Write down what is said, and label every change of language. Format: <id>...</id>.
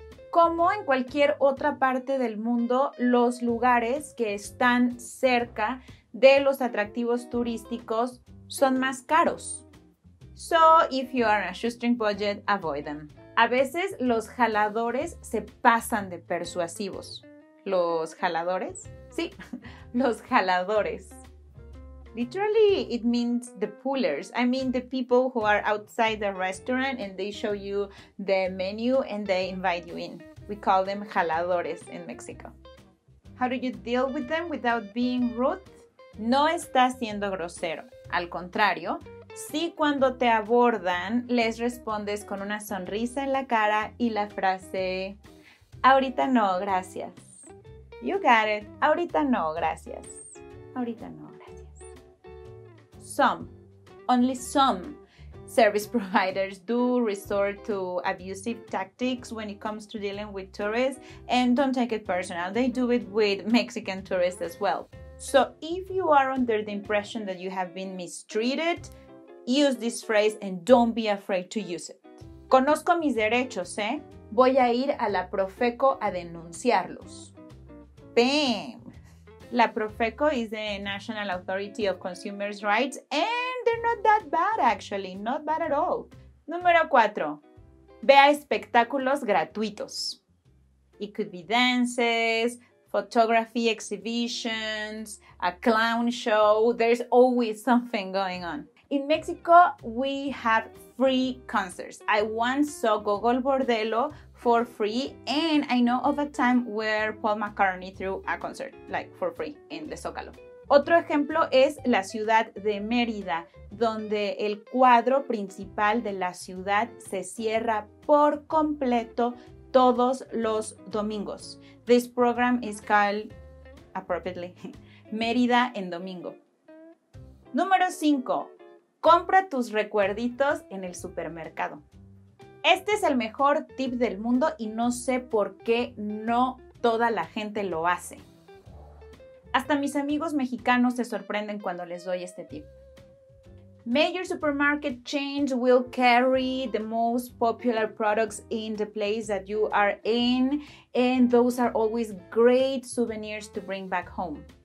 <es>Como en cualquier otra parte del mundo, los lugares que están cerca de los atractivos turísticos son más caros.</es> <en>So, if you are on a shoestring budget, avoid them.</en> <es>A veces los jaladores se pasan de persuasivos. ¿Los jaladores? Sí, los jaladores.</es> <en>Literally, it means the pullers. I mean the people who are outside the restaurant and they show you the menu and they invite you in. We call them jaladores in Mexico. How do you deal with them without being rude?</en> <es>No estás siendo grosero. Al contrario, si cuando te abordan, les respondes con una sonrisa en la cara y la frase, ahorita no, gracias.</es> <en>You got it.</en> <es>Ahorita no, gracias. Ahorita no, gracias.</es> <en>Some, only some, service providers do resort to abusive tactics when it comes to dealing with tourists, and don't take it personal, they do it with Mexican tourists as well. So if you are under the impression that you have been mistreated, use this phrase and don't be afraid to use it.</en> <es>Conozco mis derechos, ¿eh? Voy a ir a la Profeco a denunciarlos. Bam!</es> <en>La Profeco is the National Authority of Consumer Rights, and they're not that bad, actually. Not bad at all.</en> <es>Número 4. Vea espectáculos gratuitos.</es> <en>It could be dances, photography exhibitions, a clown show. There's always something going on. In Mexico, we have free concerts. I once saw Gogol Bordello for free, and I know of a time where Paul McCartney threw a concert, like, for free, in the Zócalo.</en> <es>Otro ejemplo es la ciudad de Mérida, donde el cuadro principal de la ciudad se cierra por completo todos los domingos.</es> <en>This program is called, appropriately, Mérida en Domingo.</en> <es>Número 5. Compra tus recuerditos en el supermercado. Este es el mejor tip del mundo y no sé por qué no toda la gente lo hace. Hasta mis amigos mexicanos se sorprenden cuando les doy este tip.</es> <en>Major supermarket chains will carry the most popular products in the place that you are in, and those are always great souvenirs to bring back home.</en>